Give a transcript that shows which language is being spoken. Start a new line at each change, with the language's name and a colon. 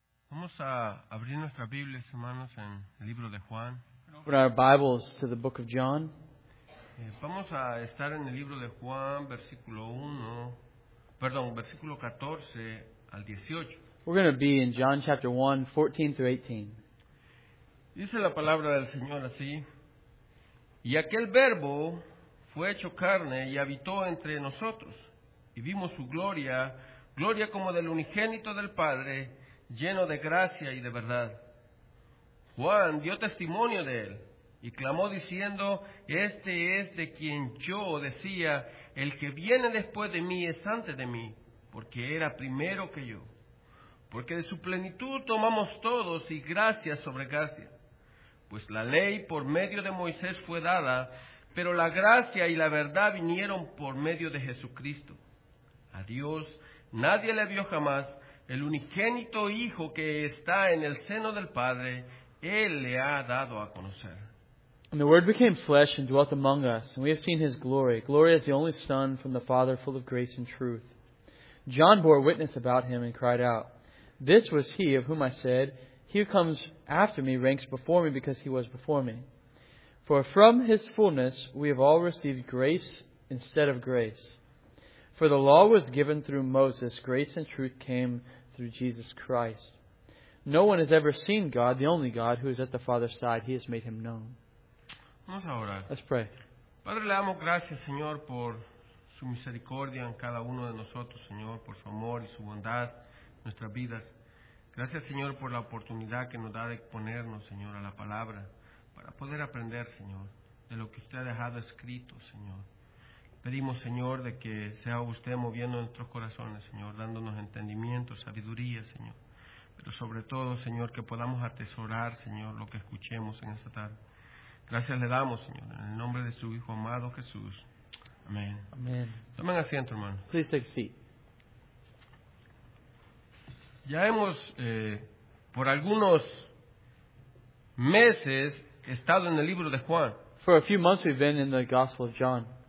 Spanish: Vamos a abrir nuestras Biblias, hermanos, en el libro de Juan.
English: Open our Bibles to the book of John.
Spanish: Vamos a estar en el libro de Juan, versículo 14 al 18.
English: We're going to be in John chapter 1, 14 through 18.
Spanish: Dice la palabra del Señor así: Y aquel verbo fue hecho carne y habitó entre nosotros, y vimos su gloria, gloria como del unigénito del Padre, lleno de gracia y de verdad. Juan dio testimonio de él, y clamó diciendo, Este es de quien yo decía, el que viene después de mí es antes de mí, porque era primero que yo. Porque de su plenitud tomamos todos, y gracia sobre gracia. Pues la ley por medio de Moisés fue dada, pero la gracia y la verdad vinieron por medio de Jesucristo. A Dios nadie le vio jamás, el unigénito Hijo que está en el seno del Padre, Él le ha dado a conocer.
English: And the Word became flesh and dwelt among us, and we have seen His glory, glory as the only Son from the Father, full of grace and truth. John bore witness about Him and cried out, This was He of whom I said, He who comes after me ranks before me because He was before me. For from His fullness we have all received grace instead of grace. For the law was given through Moses, grace and truth came through Jesus Christ. No one has ever seen God, the only God, who is at the Father's side. He has made Him known.
Spanish: Vamos a orar.
English: Let's pray.
Spanish: Padre, le damos gracias, Señor, por su misericordia en cada uno de nosotros, Señor, por su amor y su bondad en nuestras vidas. Gracias, Señor, por la oportunidad que nos da de exponernos, Señor, a la palabra, para poder aprender, Señor, de lo que usted ha dejado escrito, Señor. Pedimos, Señor, de que sea usted moviendo nuestros corazones, Señor, dándonos entendimiento, sabiduría, Señor. Pero sobre todo, Señor, que podamos atesorar, Señor, lo que escuchemos en esta tarde. Gracias le damos, Señor, en el nombre de su Hijo amado Jesús. Amén. Amén. Tomen asiento, hermano.
English: Please take a seat.
Spanish: Ya hemos, por algunos meses, estado en el libro de Juan.
English: For a few months we've been in the Gospel of John.